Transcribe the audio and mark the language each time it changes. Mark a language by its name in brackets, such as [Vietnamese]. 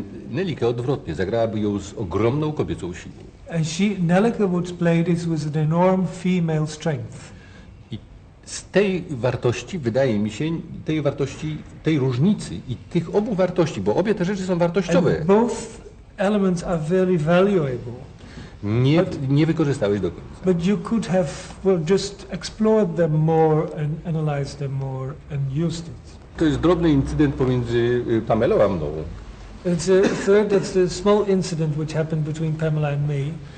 [Polish] Nelleke odwrotnie, zagrałaby ją z ogromną kobiecą siłą. [English] And Nelleke would play this with an enormous female strength. [Polish] Z tej wartości, wydaje mi się, tej różnicy i tych obu wartości, bo obie te rzeczy są wartościowe. [English] And both elements are very valuable. [Polish] Nie wykorzystałeś do końca. [English] But you could have just explored them more and analyzed them more and used it. [Polish] To jest drobny incydent pomiędzy Pamelą a mną. [English] It's a small incident which happened between Pamela and me.